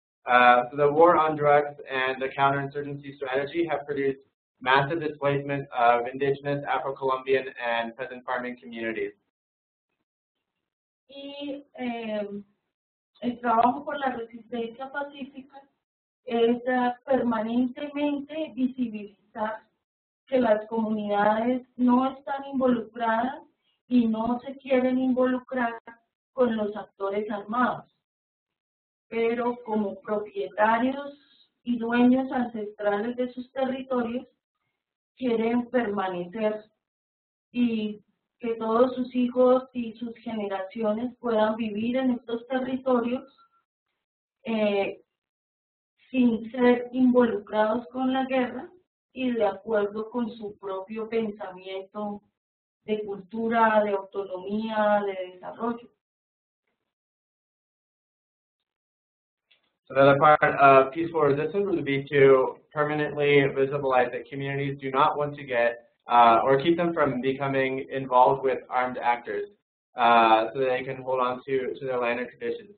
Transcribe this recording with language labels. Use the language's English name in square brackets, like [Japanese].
[English] So the war on drugs and the counterinsurgency strategy have produced massive displacement of indigenous, Afro-Colombian, and peasant farming communities. [Spanish] Y el trabajo por la resistencia pacífica es permanentemente visibilizar que las comunidades no están involucradas y no se quieren involucrar con los actores armados. Pero como propietarios y dueños ancestrales de sus territorios, quieren permanecer y que todos sus hijos y sus generaciones puedan vivir en estos territorios sin ser involucrados con la guerra y de acuerdo con su propio pensamiento de cultura, de autonomía, de desarrollo. [English] Another part of peaceful resistance would be to permanently visibilize that communities do not want to get or keep them from becoming involved with armed actors so they can hold on to their land and traditions.